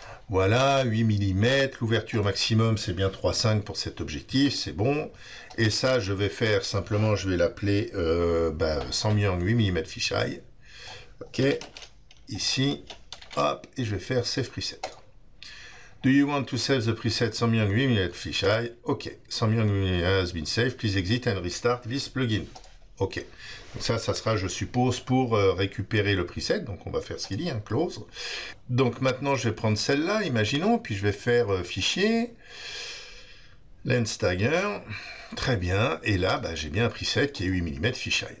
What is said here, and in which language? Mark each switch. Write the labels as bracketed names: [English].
[French] Voilà, 8 mm, l'ouverture maximum c'est bien 3,5 pour cet objectif, c'est bon. Et ça, je vais faire simplement, je vais l'appeler 100 mm 8 mm fisheye. Ok, ici, hop, et je vais faire save preset. [English] Do you want to save the preset 100 mm 8 mm fisheye? Ok, 100 mm 8 mm has been saved. Please exit and restart this plugin. [French] Ok, donc ça sera, je suppose, pour récupérer le preset. Donc on va faire ce qu'il dit, un hein, close. Donc maintenant je vais prendre celle-là, imaginons, puis je vais faire fichier, lens tagger. Très bien, et là bah, j'ai bien un preset qui est 8 mm fisheye.